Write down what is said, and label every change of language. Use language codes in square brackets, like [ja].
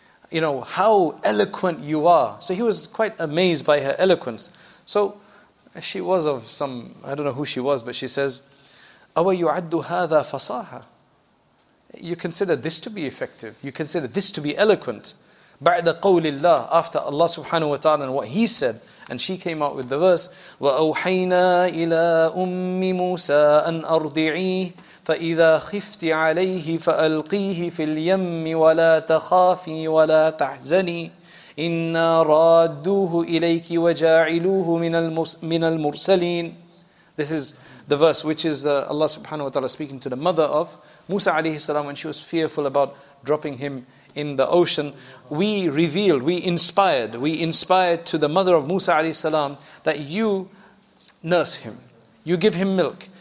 [en] You know, how eloquent you are. So he was quite amazed by her eloquence. So she was of some, I don't know who she was, but she says, [ar] awa yu'addu hadha fasaha. [en] You consider this to be effective. You consider this to be eloquent. [ar] Ba'da qawlillah, [en] after Allah subhanahu wa ta'ala and what he said, and she came out with the verse, [ar] وَأَوْحَيْنَا إِلَىٰ أُمِّ مُوسَىٰ أَنْ أَرْضِعِيهِ فَإِذَا خِفْتِ عَلَيْهِ فَأَلْقِيهِ فِي الْيَمِّ وَلَا تَخَافِي وَلَا تَحْزَنِي إِنَّا رَادُّوهُ إِلَيْكِ وَجَاعِلُوهُ مِنَ الْمُرْسَلِينَ. [en] This is the verse which is Allah subhanahu wa ta'ala speaking to the mother of Musa alayhi salam when she was fearful about dropping him in the ocean. We inspired to the mother of Musa alayhi salam that you nurse him, you give him milk.